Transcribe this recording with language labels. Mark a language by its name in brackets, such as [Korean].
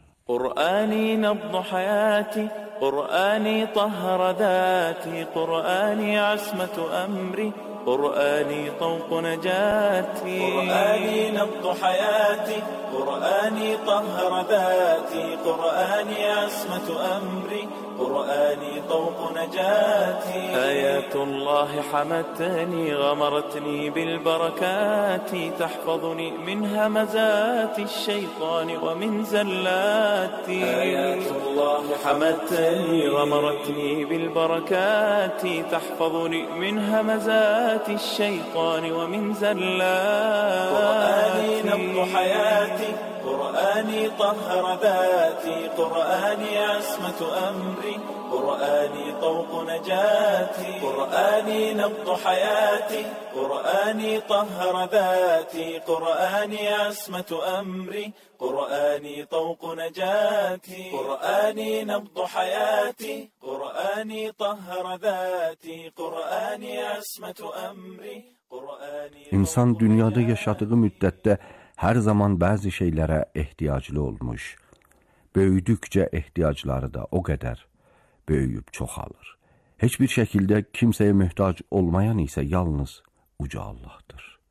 [Arabic] Qur'ani nabdu hayati, Qur'ani tahra dati, Qur'ani asmatu amri, Qur'ani tawqu najati. Qur'ani nabdu hayati, Qur'ani tahra dati, Qur'ani asmatu amri, قرآني طوق نجاتي آيات الله حمتني غمرتني بالبركات تحفظني من همزات الشيطان ومن زلاتي آيات الله حمتني غمرتني بالبركات تحفظني من همزات الشيطان ومن زلاتي قرآني نبض حياتي قرآني طهر ذاتي قرآني عصمة أمري قرآني طوق نجاتي قرآني نبض حياتي قرآني طهر ذاتي قرآني عصمة أمري قرآني طوق نجاتي قرآني نبض حياتي قرآني طهر ذاتي قرآني عصمة أمري قرآني [Azerbaijani] إنسان dünyada yaşadığı müddətdə Hər zaman bəzi şeylərə ehtiyaclı olmuş. Böyüdükcə ehtiyacları da o qədər böyüyüb çoxalır. Heç bir şəkildə kimsəyə möhtac olmayan isə yalnız uca Allahdır.